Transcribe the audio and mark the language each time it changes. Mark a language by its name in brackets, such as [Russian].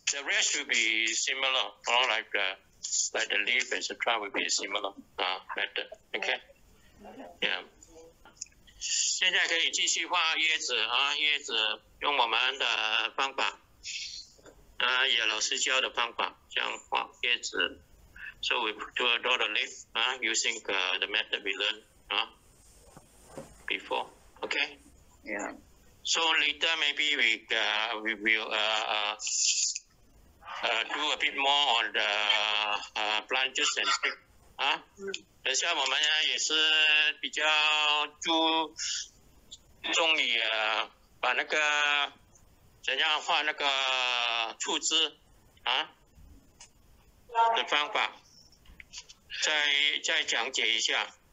[English] The rest will be similar, or like the leaf, etc. will be similar, better. Okay. Yeah. [Chinese] 现在可以继续画椰子啊，椰子用我们的方法，也老师教的方法，这样画椰子。 [English] So we do a lot of leaf, using the method we learned, before. Okay. Yeah. So later maybe we will do a bit more on the branches and stick. [Chinese] 等下我们也是比较注重于把那个怎样画那个树枝的方法再讲解一下。